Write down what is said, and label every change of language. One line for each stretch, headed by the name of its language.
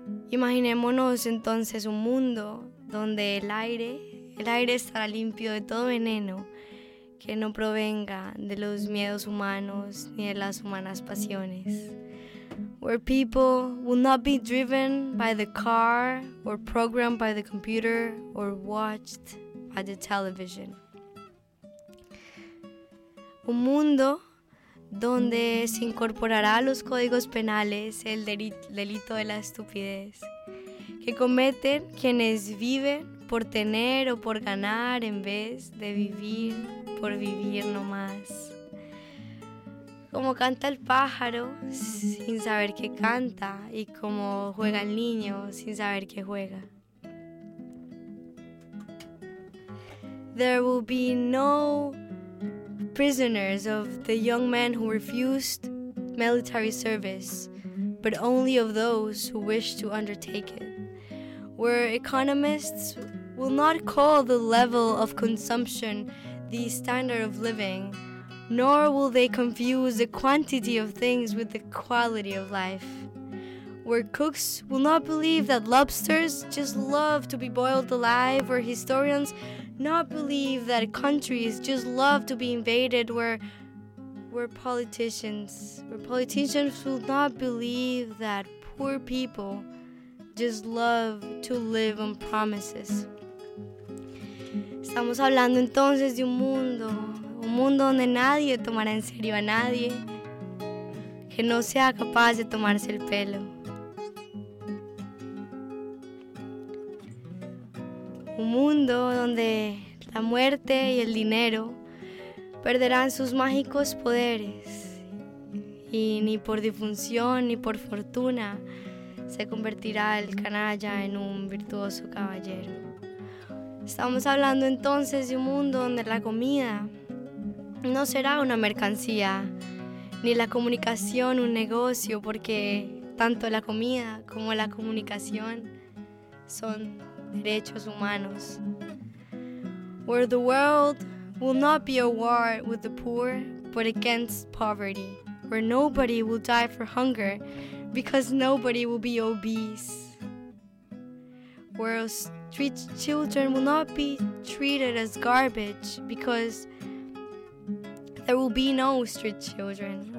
Spanish: Imaginémonos entonces un mundo donde el aire estará limpio de todo veneno que no provenga de los miedos humanos ni de las humanas pasiones.
English: Where people will not be driven by the car or programmed by the computer or watched by the television.
Spanish: Un mundo donde se incorporará a los códigos penales el delito de la estupidez que cometen quienes viven por tener o por ganar en vez de vivir por vivir nomás. Como canta el pájaro sin saber que canta y como juega el niño sin saber que juega.
English: There will be no prisoners of the young men who refused military service, but only of those who wish to undertake it. Where economists will not call the level of consumption the standard of living, nor will they confuse the quantity of things with the quality of life. Where cooks will not believe that lobsters just love to be boiled alive, where historians not believe that countries just love to be invaded, where politicians will not believe that poor people just love to live on promises.
Spanish: Estamos hablando entonces de un mundo donde nadie tomará en serio a nadie, que no sea capaz de tomarse el pelo. Un mundo donde la muerte y el dinero perderán sus mágicos poderes y ni por difunción ni por fortuna se convertirá el canalla en un virtuoso caballero. Estamos hablando entonces de un mundo donde la comida no será una mercancía, ni la comunicación un negocio, porque tanto la comida como la comunicación son derechos humanos.
English: Where the world will not be a war with the poor, but against poverty. Where nobody will die for hunger, because nobody will be obese. Where street children will not be treated as garbage, because there will be no street children.